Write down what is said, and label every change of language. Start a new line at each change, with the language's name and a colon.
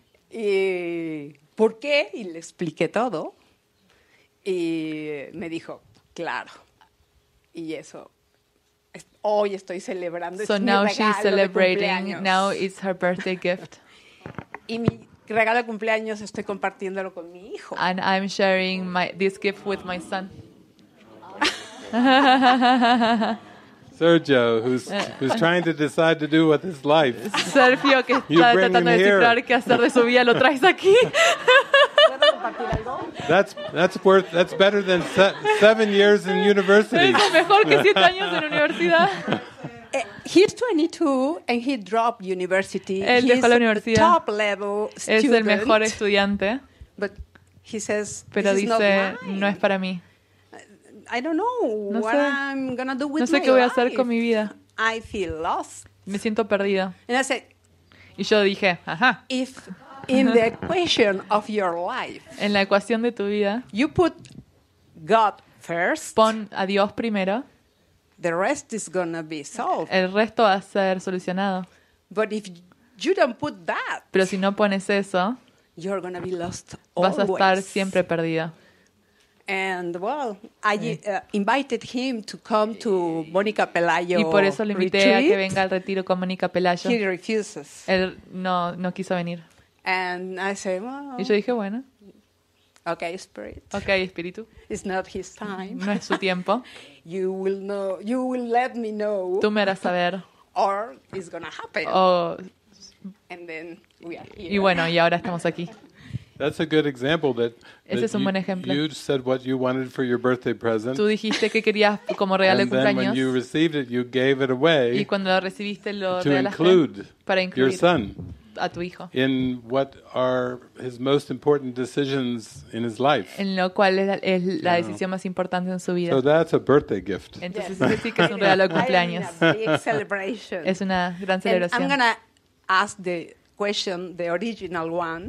Spanish: ¿Y por qué? Y le expliqué todo. Y me dijo, claro. Y eso, hoy estoy celebrando.
English: So now she's celebrating. Now it's her birthday gift.
Spanish: Y mi regalo de cumpleaños estoy compartiéndolo con mi hijo.
English: And I'm sharing this gift with my son. Sergio, who's trying to decide to do with his life.
Spanish: Sergio, que está tratando de descifrar qué hacer de su vida, lo traes aquí.
English: That's better than 7 years in university.
Spanish: Es mejor que 7 años en universidad.
English: He's 22 and he dropped university.
Spanish: Él dejó la universidad.
English: Top level student.
Spanish: Es el mejor estudiante.
English: But he says,
Spanish: pero dice, no es para mí.
English: I don't know what I'm gonna do with my life.
Spanish: No sé qué voy a hacer con mi vida.
English: I feel lost.
Spanish: Me siento perdida.
English: And I said,
Spanish: y yo dije, ajá.
English: If in the equation of your life,
Spanish: en la ecuación de tu vida,
English: you put God first,
Spanish: pon a Dios primero,
English: the rest is gonna be solved.
Spanish: El resto va a ser solucionado.
English: But if you don't put that,
Spanish: pero si no pones eso,
English: you're gonna be lost always.
Spanish: Vas a estar siempre perdida.
English: And well, I invited him to come to Mónica Pelayo.
Spanish: Y por eso le invité a que venga al retiro con Mónica Pelayo.
English: He refuses.
Spanish: Él no quiso venir.
English: And I said, well.
Spanish: Y yo dije, bueno.
English: Okay, spirit.
Spanish: Okay, espíritu.
English: It's not his time.
Spanish: No es su tiempo.
English: You will let me know.
Spanish: Tú me harás saber.
English: Or it's gonna happen. And then we are here.
Spanish: Y bueno, y ahora estamos aquí.
English: That's a good example that,
Spanish: ese es un buen ejemplo.
English: You said what you wanted for your birthday present.
Spanish: Tú dijiste que querías como regalo de cumpleaños.
English: And then when you received it, you gave it away.
Spanish: Y cuando lo recibiste lo
English: to include
Spanish: para incluir
English: your son
Spanish: a tu hijo.
English: In what are his most important decisions in his life.
Spanish: En lo cual es la decisión más importante en su vida.
English: So that's a birthday gift.
Spanish: Entonces eso sí que es un regalo de cumpleaños. Es una gran celebración.
English: And I'm gonna ask the question, the original one,